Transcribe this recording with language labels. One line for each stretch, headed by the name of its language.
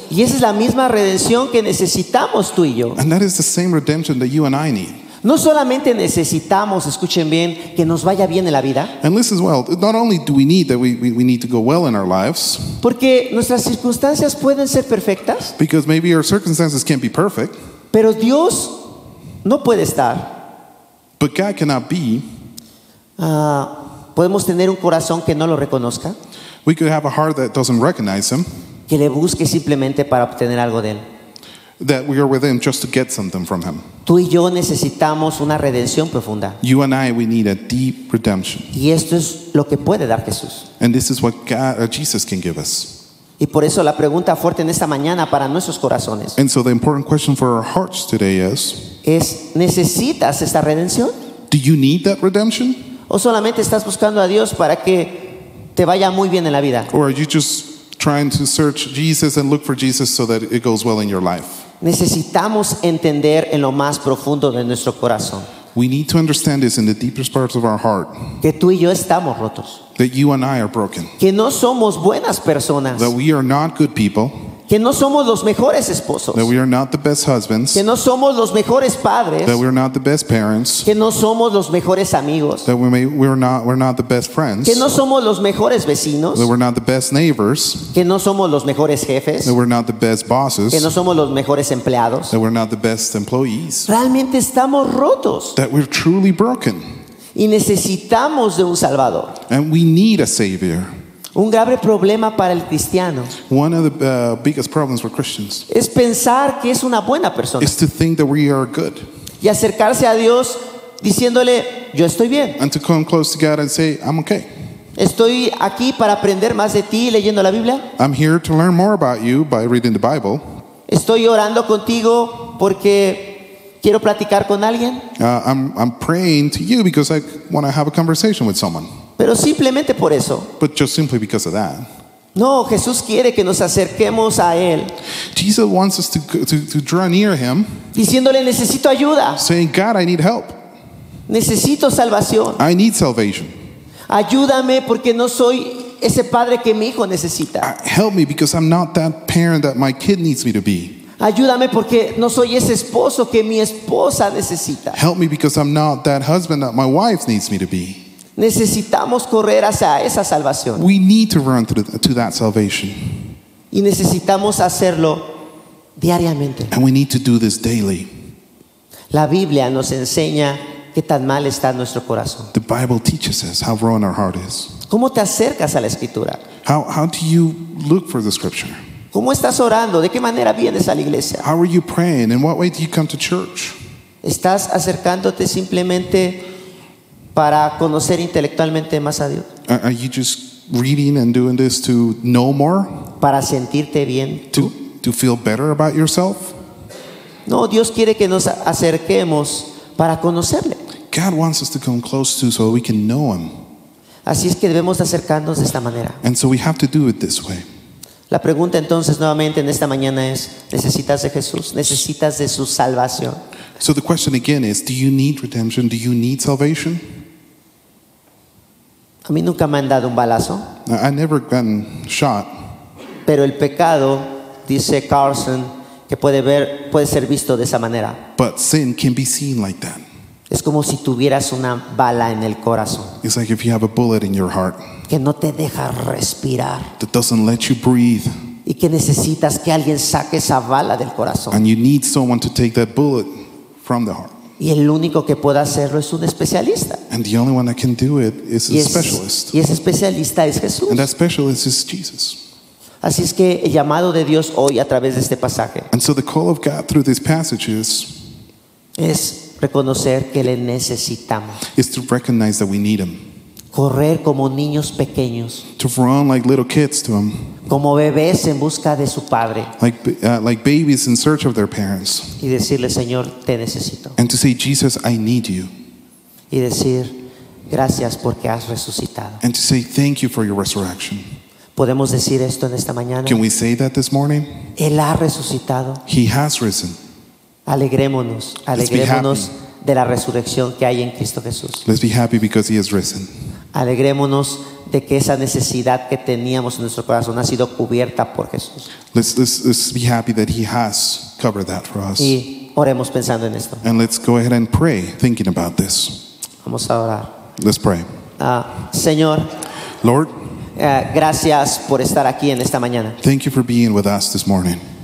Spanish: Y esa es la misma redención que necesitamos tú y yo.
English: And that is the same redemption that you and I need.
Spanish: No solamente necesitamos, escuchen bien, que nos vaya bien en la vida.
English: And listen well, not only do we need that we need to go well in our lives.
Spanish: Porque nuestras circunstancias pueden ser perfectas.
English: Because maybe our circumstances can't be perfect.
Spanish: Pero Dios no puede estar.
English: But God cannot be.
Spanish: Podemos tener un corazón que no lo reconozca.
English: We could have a heart that doesn't recognize him.
Spanish: Que le busque simplemente para obtener algo de él.
English: That we are with him just to get something from him.
Spanish: Tú y yo necesitamos una redención profunda.
English: You and I, we need a deep redemption.
Spanish: Y esto es lo que puede dar Jesús.
English: And this is what God, Jesus can give us.
Spanish: Y por eso la pregunta fuerte en esta mañana para nuestros corazones.
English: And so the important question for our hearts today is.
Spanish: Es, ¿necesitas esta redención?
English: Do you need that redemption?
Spanish: ¿O solamente estás buscando a Dios para que te vaya muy bien en la vida?
English: Or are you just trying to search Jesus and look for Jesus so that it goes well in your life?
Spanish: Necesitamos entender en lo más profundo de nuestro corazón.
English: We need to understand this in the deepest parts of our heart.
Spanish: Que tú y yo estamos rotos.
English: That you and I are broken.
Spanish: Que no somos buenas personas.
English: That we are not good people.
Spanish: Que no somos los mejores esposos.
English: That we are not the best husbands.
Spanish: Que no somos los mejores padres.
English: That we are not the best parents.
Spanish: Que no somos los mejores amigos.
English: That we're not the best friends.
Spanish: Que no somos los mejores vecinos.
English: That we're not the best neighbors.
Spanish: Que no somos los mejores jefes.
English: That we're not the best bosses.
Spanish: Que no somos los mejores empleados.
English: That we're not the best employees.
Spanish: Realmente estamos rotos.
English: That we're truly broken.
Spanish: Y necesitamos de un Salvador.
English: And we need a Savior.
Spanish: Un grave problema para el cristiano.
English: One of the biggest problems for Christians.
Spanish: Es pensar que es una buena persona.
English: Is to think that we are good.
Spanish: Y acercarse a Dios diciéndole, yo estoy bien.
English: And to come close to God and say, I'm okay.
Spanish: Estoy aquí para aprender más de ti leyendo la Biblia.
English: I'm here to learn more about you by reading the Bible.
Spanish: Estoy orando contigo porque quiero platicar con alguien.
English: I'm praying to you because I want to have a conversation with someone.
Spanish: Pero simplemente por eso.
English: But just simply because of that.
Spanish: No, Jesús quiere que nos acerquemos a él.
English: Jesus wants us to draw near him.
Spanish: Diciéndole, necesito ayuda.
English: Saying, God, I need help.
Spanish: Necesito salvación.
English: I need salvation.
Spanish: Ayúdame porque no soy ese padre que mi hijo necesita.
English: Help me because I'm not that parent that my kid needs me to be.
Spanish: Ayúdame porque no soy ese esposo que mi esposa necesita.
English: Help me because I'm not that husband that my wife needs me to be.
Spanish: Necesitamos correr hacia esa salvación.
English: We need to run to that salvation.
Spanish: Y necesitamos hacerlo diariamente.
English: And we need to do this daily.
Spanish: La Biblia nos enseña qué tan mal está nuestro corazón.
English: The Bible teaches us how wrong our heart is.
Spanish: ¿Cómo te acercas a la Escritura?
English: How do you look for the Scripture?
Spanish: ¿Cómo estás orando? ¿De qué manera vienes a la iglesia?
English: How are you praying? In what way do you come to church?
Spanish: ¿Estás acercándote simplemente para conocer intelectualmente más a Dios?
English: Are you just reading and doing this to know more?
Spanish: ¿Para sentirte bien?
English: To feel better about yourself?
Spanish: No, Dios quiere que nos acerquemos para conocerle.
English: God wants us to come close to so we can know him.
Spanish: Así es que debemos acercarnos de esta manera.
English: And so we have to do it this way.
Spanish: La pregunta entonces nuevamente en esta mañana es, ¿necesitas de Jesús? ¿Necesitas de su salvación?
English: So the question again is, do you need redemption? Do you need salvation?
Spanish: A mí nunca me han dado un balazo.
English: I never gotten shot.
Spanish: Pero el pecado, dice Carlson, que puede ser visto de esa manera.
English: But sin can be seen like that.
Spanish: Es como si tuvieras una bala en el corazón.
English: It's like if you have a bullet in your heart.
Spanish: Que no te deja respirar.
English: That doesn't let you breathe.
Spanish: Y que necesitas que alguien saque esa bala del corazón.
English: And you need someone to take that bullet from the heart.
Spanish: Y el único que puede hacerlo es un especialista.
English: And the only one that can do it is a specialist.
Spanish: Y ese especialista es Jesús.
English: And that specialist is Jesus.
Spanish: Así es que el llamado de Dios hoy a través de este pasaje.
English: And so the call of God through this passage is.
Spanish: Es reconocer que le necesitamos.
English: Is to recognize that we need him.
Spanish: Correr como niños pequeños.
English: To run like little kids to him.
Spanish: Como bebés en busca de su padre.
English: Like babies in search of their parents.
Spanish: Y decirle, Señor, te necesito.
English: And to say, Jesus, I need you.
Spanish: Y decir, gracias porque has resucitado.
English: And to say, thank you for your resurrection.
Spanish: ¿Podemos decir esto en esta mañana?
English: Can we say that this morning?
Spanish: Él ha resucitado.
English: He has risen.
Spanish: Alegrémonos, alegrémonos de la resurrección que hay en Cristo Jesús.
English: Let's be happy because he has risen.
Spanish: Alegrémonos de que esa necesidad que teníamos en nuestro corazón ha sido cubierta por Jesús.
English: Let's be happy that he has covered that for us.
Spanish: Y oremos pensando en esto.
English: And let's go ahead and pray thinking about this.
Spanish: Vamos a orar.
English: Let's pray.
Spanish: Señor.
English: Lord.
Spanish: Gracias por estar aquí en esta mañana.
English: Thank you for being with us this morning.